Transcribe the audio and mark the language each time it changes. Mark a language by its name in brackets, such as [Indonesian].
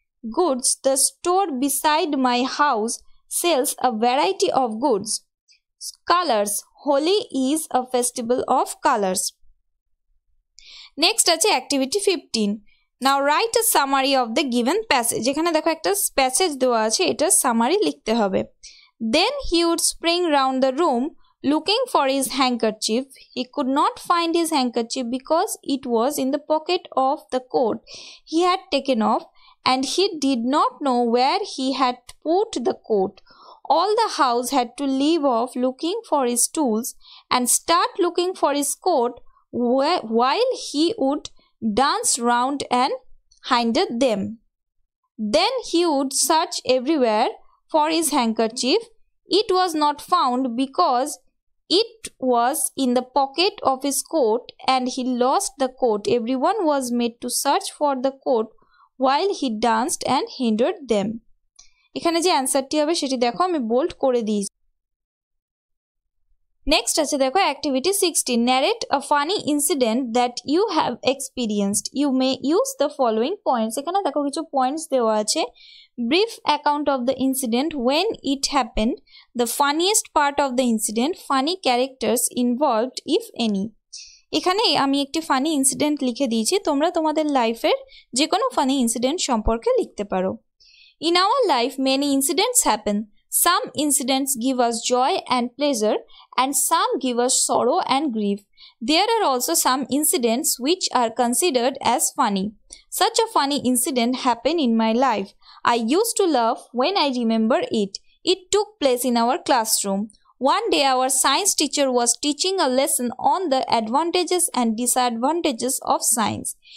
[English] Goods, the store beside my house sells a variety of goods. Colours, Holi is a festival of colours. Next আছে activity 15। Now write a summary of the given passage. [Bangla] এখানে দেখো একটা passage দেওয়া আছে, এটার summary লিখতে হবে। [English] Then he would spring round the room looking for his handkerchief. He could not find his handkerchief because it was in the pocket of the coat he had taken off and he did not know where he had put the coat. All the house had to leave off looking for his tools and start looking for his coat while he would dance round and hinder them. Then he would search everywhere for his handkerchief. It was not found because it was in the pocket of his coat and he lost the coat. Everyone was made to search for the coat while he danced and hindered them. [Bangla] এখানে যে অ্যানসারটি হবে সেটি দেখো আমি bold করে দিয়েছি। [English] next [Bangla] আছে দেখো [English] Activity 16। Narrate a funny incident that you have experienced. You may use the following points. [Bangla] এখানে দেখো কিছু পয়েন্টস দেওয়া আছে। [English] Brief account of the incident, when it happened, the funniest part of the incident, funny characters involved, if any. [Bangla] এখানে আমি একটি funny incident লিখে দিয়েছি, তোমরা তোমাদের লাইফের যে কোনো ফানি ইনসিডেন্ট সম্পর্কে লিখতে পারো। [English] In our life many incidents happen. Some incidents give us joy and pleasure and some give us sorrow and grief. There are also some incidents which are considered as funny. Such a funny incident happened in my life. I used to laugh when I remember it. It took place in our classroom. One day our science teacher was teaching a lesson on the advantages and disadvantages of science.